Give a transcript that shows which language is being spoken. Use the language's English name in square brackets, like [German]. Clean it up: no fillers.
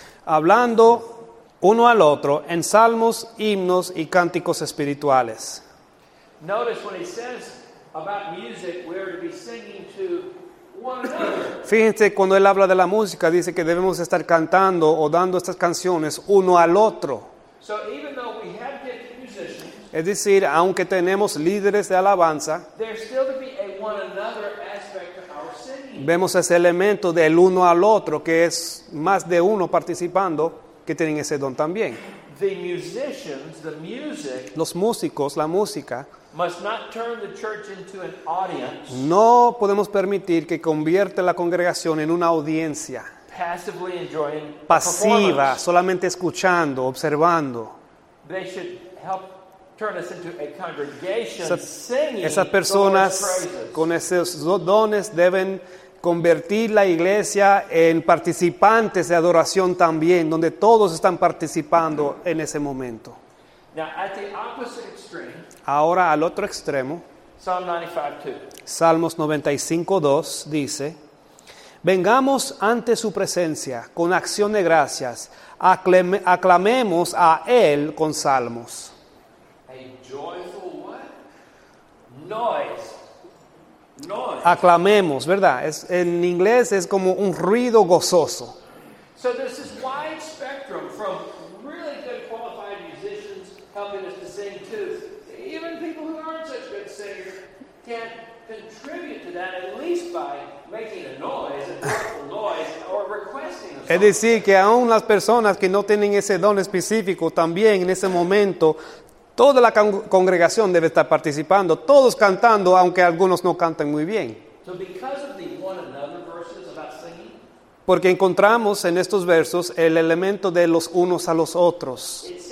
[Spanish] Hablando uno al otro en salmos, himnos y cánticos espirituales. [English] Notice when he says about music, we are to be singing to one another. [Spanish] Fíjense, cuando él habla de la música, dice que debemos estar cantando o dando estas canciones uno al otro. [English] So even though we have gifted musicians, [Spanish] es decir, aunque tenemos líderes de alabanza, [English] there's still to be a one another aspect of our singing. [Spanish] Vemos ese elemento del uno al otro, que es más de uno participando, que tienen ese don también. [English] The musicians, the music, [Spanish] los músicos, la música, [English] must not turn the church into an audience. [Spanish] No podemos permitir que convierta la congregación en una audiencia [English] passively enjoying [Spanish] pasiva, solamente escuchando, observando. [English] They should help turn us into a congregation, singing. [Spanish] Esas personas con esos dones deben convertir la iglesia en participantes de adoración también, donde todos están participando en ese momento. [English] Now, at the opposite extreme, [Spanish] ahora, al otro extremo, Salmos 95:2 dice: vengamos ante su presencia con acción de gracias, aclamemos a él con salmos. [English] A joyful what? Noise. [Spanish] Aclamemos, ¿verdad? Es, en inglés es como un ruido gozoso. [English] So there's this wide spectrum from really good qualified musicians helping us to sing too. Even people who aren't such good singers can contribute to that at least by making a noise, a noise, or requesting a song. [Spanish] Es decir, que aún las personas que no tienen ese don específico también en ese momento, toda la congregación debe estar participando, todos cantando, aunque algunos no canten muy bien. [English] So because of the one another verses about singing, [Spanish] porque encontramos en estos versos el elemento de los unos a los otros.